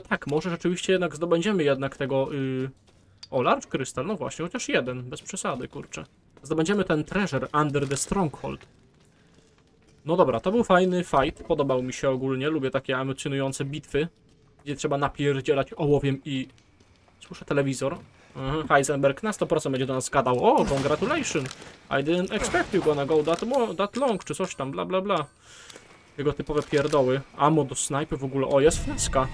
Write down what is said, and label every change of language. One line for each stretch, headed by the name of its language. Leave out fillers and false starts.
Polish: Tak, może rzeczywiście jednak zdobędziemy jednak tego... O,
English: large crystal,
Polish: no właśnie, chociaż jeden, bez przesady, kurczę. Zdobędziemy ten
English: treasure under the stronghold.
Polish: No dobra, to był fajny fight, podobał mi się ogólnie, lubię takie emocjonujące bitwy, gdzie trzeba napierdzielać ołowiem i... Słyszę telewizor. Heisenberg na 100% będzie do nas gadał.
English: O, congratulations! I didn't expect you gonna go that long,
Polish: czy coś tam,
English: bla bla bla.
Polish: Jego typowe pierdoły. Ammo do snajpy w ogóle. O, jest flaska.